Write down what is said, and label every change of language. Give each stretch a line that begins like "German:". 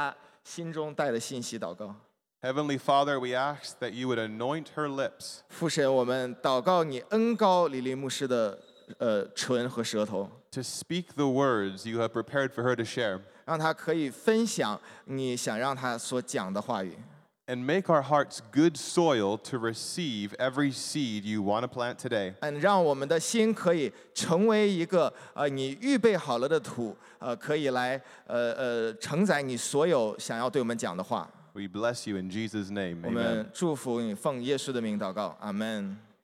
Chinese: 也为神在他心中带的信息祷告。
English: Heavenly Father, we ask that you would anoint her lips.
Chinese: 父神，我们祷告你恩膏李林牧师的唇和舌头。
English: To speak the words you have prepared for her to share.
Chinese: 让她可以分享你想让她所讲的话语。
English: And make our hearts good soil to receive every seed you want to plant today.
Chinese: 让我们的心可以成为一个你预备好了的土，可以来承载你所有想要对我们讲的话。
English: We bless you in Jesus' name.
Chinese: 我们祝福你，奉耶稣的名祷告，阿门。